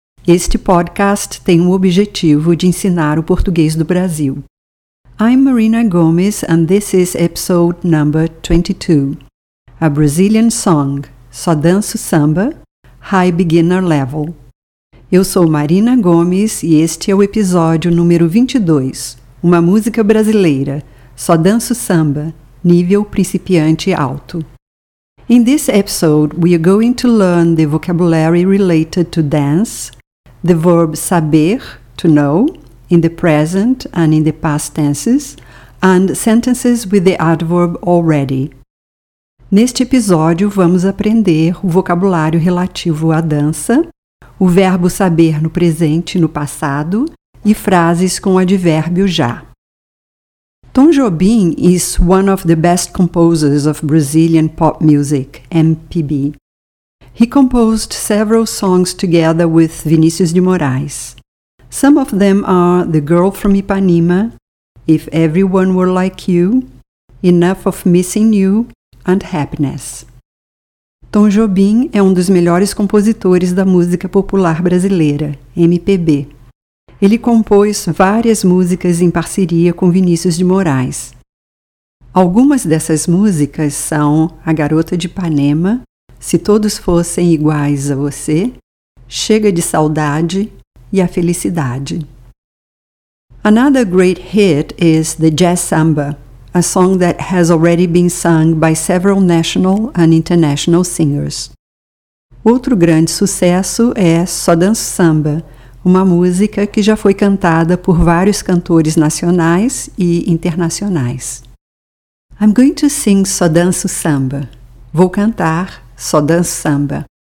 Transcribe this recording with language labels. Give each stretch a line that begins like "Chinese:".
Portuguese: Este podcast tem o objetivo de ensinar o português do Brasil.
English: I'm Marina Gomes and this is episode number 22. A Brazilian Song, Só Danço Samba, High Beginner Level.
Portuguese: Eu sou Marina Gomes e este é o episódio número 22, Uma Música Brasileira, Só Danço Samba, Nível Principiante Alto.
English: In this episode, we are going to learn the vocabulary related to dance, the verb saber, to know, in the present and in the past tenses, and sentences with the adverb already.
Portuguese: Neste episódio, vamos aprender o vocabulário relativo à dança, o verbo saber no presente e no passado, e frases com o advérbio já.
English: Tom Jobim is one of the best composers of Brazilian pop music, MPB. He composed several songs together with Vinícius de Moraes. Some of them are The Girl from Ipanema, If Everyone Were Like You, Enough of Missing You, and Happiness.
Portuguese: Tom Jobim é um dos melhores compositores da música popular brasileira, MPB. Ele compôs várias músicas em parceria com Vinícius de Moraes. Algumas dessas músicas são A Garota de Ipanema, Se Todos Fossem Iguais a Você, Chega de Saudade e A Felicidade.
English: Another great hit is the Jazz Samba, a song that has already been sung by several national and international singers.
Portuguese: Outro grande sucesso é Só Danço Samba, uma música que já foi cantada por vários cantores nacionais e internacionais.
English: I'm going to sing Só Danço Samba.
Portuguese: Vou cantar Só Danço Samba.